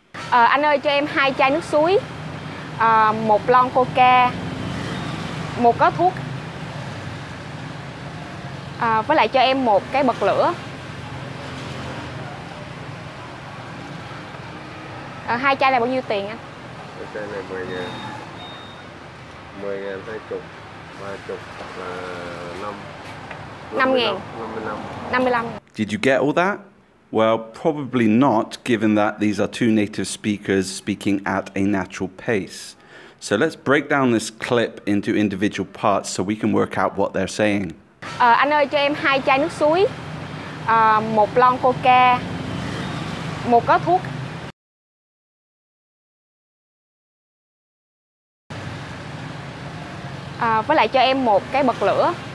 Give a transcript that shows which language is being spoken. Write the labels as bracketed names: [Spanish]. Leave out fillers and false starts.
[Vietnamese] Anh ơi, cho em hai chai nước suối. Một lon coca, một gói thuốc, với lại cho em một cái bật lửa, hai chai là bao nhiêu tiền anh? Cái chai này 10 ngàn, 10 ngàn 20, 30 là 5 ngàn. 55. [English] Did you get all that? Well, probably not, given that these are two native speakers speaking at a natural pace. So let's break down this clip into individual parts so we can work out what they're saying. [Vietnamese] Anh ơi, cho em hai chai nước suối, một lon coca, một gói thuốc, với lại cho em một cái bật lửa.